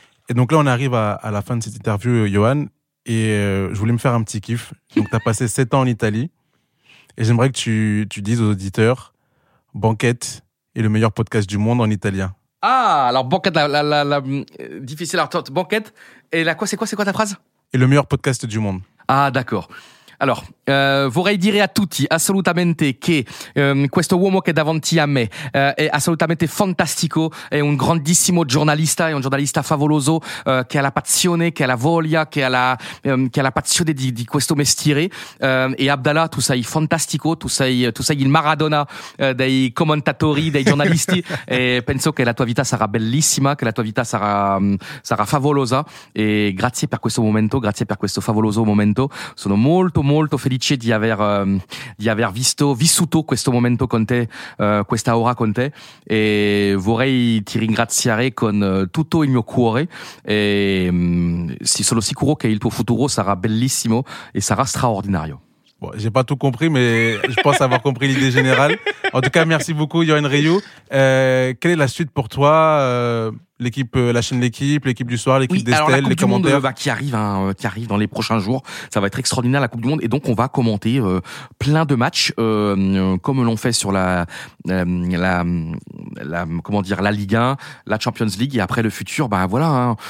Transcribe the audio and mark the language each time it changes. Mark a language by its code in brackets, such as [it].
[fr] Et donc là on arrive à la fin de cette interview, Johan. Et je voulais me faire un petit kiff. Donc, t'as passé 7 ans en Italie. Et j'aimerais que tu dises aux auditeurs, Banquette est le meilleur podcast du monde en italien. Ah, alors Banquette, la difficile à retenir. Banquette, et la quoi, c'est quoi ta phrase ? Et le meilleur podcast du monde. Ah, d'accord. [it] Alors, vorrei dire a tutti assolutamente che questo uomo che è davanti a me è assolutamente fantastico, è un grandissimo giornalista, è un giornalista favoloso che ha la passione, che ha la voglia, che ha la passione di questo mestiere. E Abdallah, tu sei fantastico, tu sei il Maradona dei commentatori, dei giornalisti. E penso che la tua vita sarà bellissima, che la tua vita sarà favolosa. E grazie per questo momento, grazie per questo favoloso momento. Sono molto molto felice di aver vissuto questo momento con te, questa ora con te, e vorrei ti ringraziare con tutto il mio cuore. E sono sicuro che il tuo futuro sarà bellissimo e sarà straordinario. [fr] Bon, j'ai pas tout compris, mais je pense avoir compris l'idée générale. En tout cas, merci beaucoup, Yoann Rieu. Quelle est la suite pour toi? L'équipe, la chaîne L'Équipe, L'Équipe du Soir, l'équipe, oui, d'Estelle, alors la coupe les commentaires. Du monde, qui arrive, hein, qui arrive dans les prochains jours. Ça va être extraordinaire, la Coupe du Monde. Et donc, on va commenter plein de matchs, comme l'on fait sur la Ligue 1, la Champions League. Et après, le futur, ben voilà. Hein.